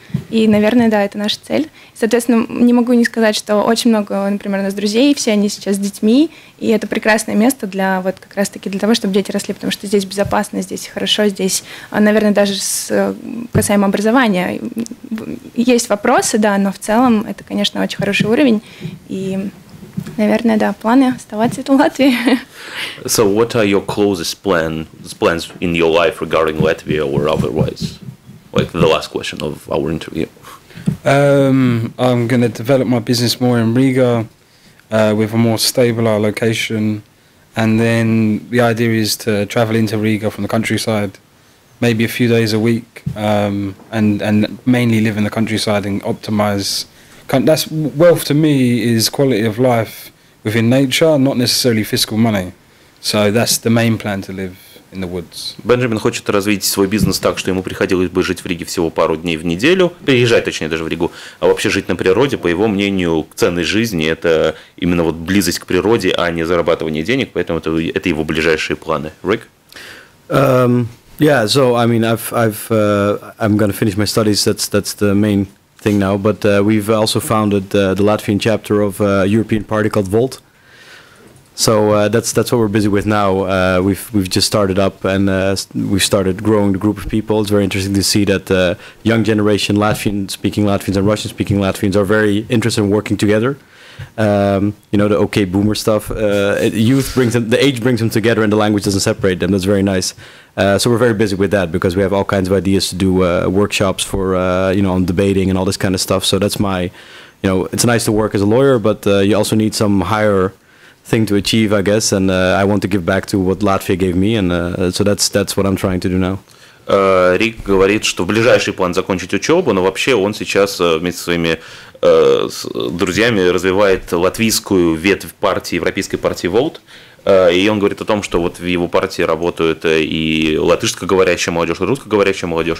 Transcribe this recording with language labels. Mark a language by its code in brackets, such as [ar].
[ru] И, наверное, да, это наша цель. Соответственно, не могу не сказать, что очень много, например, у нас друзей, все они сейчас с детьми, и это прекрасное место для вот как раз-таки для того, чтобы дети росли, потому что здесь безопасно, здесь хорошо, здесь, наверное, даже с касаемо образования есть вопросы, да, но в целом это, конечно, очень хороший уровень, и, наверное, да, планы оставаться в Латвии. [en] So what are your closest plans in your life regarding Latvia or otherwise? Like the last question of our interview. I'm going to develop my business more in Riga with a more stable location. And then the idea is to travel into Riga from the countryside, maybe a few days a week, and mainly live in the countryside and optimize. That's wealth to me is quality of life within nature, not necessarily fiscal money. So that's the main plan to live. [ru] Бенджамин хочет развить свой бизнес так, что ему приходилось бы жить в Риге всего пару дней в неделю, переезжать, точнее, даже в Ригу, а вообще жить на природе, по его мнению, ценность жизни – это именно вот близость к природе, а не зарабатывание денег, поэтому это его ближайшие планы. Рик? [en] Yeah, so, I mean, I'm going to finish my studies, that's the main thing now, but we've also founded the Latvian chapter of a European party called Volt. So that's what we're busy with now. We've just started up and we've started growing the group of people. It's very interesting to see that the young generation, Latvian-speaking Latvians and Russian-speaking Latvians, are very interested in working together. You know, the okay boomer stuff. Youth brings them, the age brings them together, and the language doesn't separate them. That's very nice. So we're very busy with that because we have all kinds of ideas to do workshops for you know, on debating and all this kind of stuff. So that's my, you know, it's nice to work as a lawyer, but you also need some higher thing to achieve, I guess, and I want to give back to what Latvia gave me, and so that's what I'm trying to do now. [ru] Рик говорит, что в ближайший план закончить учебу, но вообще он сейчас вместе со своими друзьями развивает латвийскую ветвь партии, европейской партии «Волт». И он говорит о том, что вот в его партии работают и латышскоговорящая молодежь, и русскоговорящая молодежь.